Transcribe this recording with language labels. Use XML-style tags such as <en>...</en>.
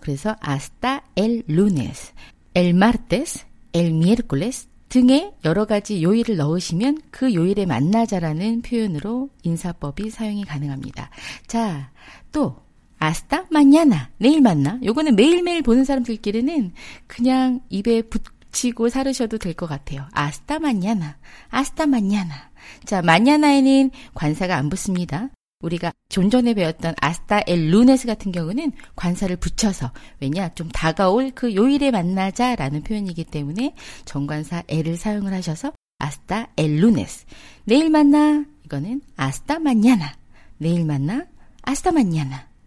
<ko>그래서</ko> <es>hasta el lunes, el martes, el miércoles</es> <ko>등의 여러 가지 요일을 넣으시면 그 요일에 만나자라는 표현으로 인사법이 사용이 가능합니다. 자, 또</ko> <es>hasta mañana,</es> <ko>내일 만나. 요거는 매일매일 보는 사람들끼리는 그냥 입에 붙이고 사르셔도 될 것 같아요.</ko> <es>hasta mañana, hasta mañana.</es> <ko>자, mañana에는 관사가 안 붙습니다. 우리가 좀 전에 배웠던</ko> <es>hasta el lunes</es> <ko>같은 경우는 관사를 붙여서, 왜냐, 좀 다가올 그 요일에 만나자라는 표현이기 때문에 정관사 el을 사용을 하셔서 hasta el lunes, 내일 만나, 이거는</ko> <es>hasta mañana,</es> <ko>내일 만나, hasta mañana.</ko>